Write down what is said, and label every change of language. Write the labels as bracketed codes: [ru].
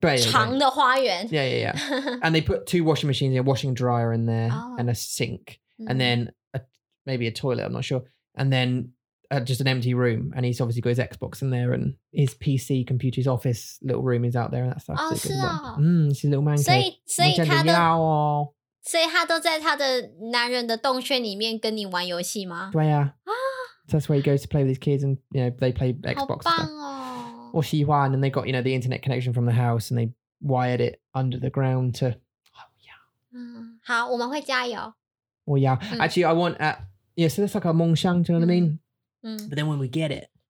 [zh] 长的花园. [en] Yeah, yeah, yeah. And they put two washing machines, a washing dryer in there, and a sink, and then maybe a toilet, I'm not sure. And then just an empty room. And he's obviously got his Xbox in there, and his PC computer, his office little room is out there, and that stuff. It's his little man cave. So, [zh] 所以他都在他的男人的洞穴里面跟你玩游戏吗? 对啊. [en] That's where he goes to play with his kids, and you know, they play Xbox. [zh] 好棒哦. 我喜欢, [en] and they got, you know, the internet connection from the house, and they wired it under the ground to... Oh, yeah. [zh] 好,我们会加油. [en] Oh, yeah. Actually, I want... yeah, so that's like a 梦想, do you know what I mean? But then when we get it...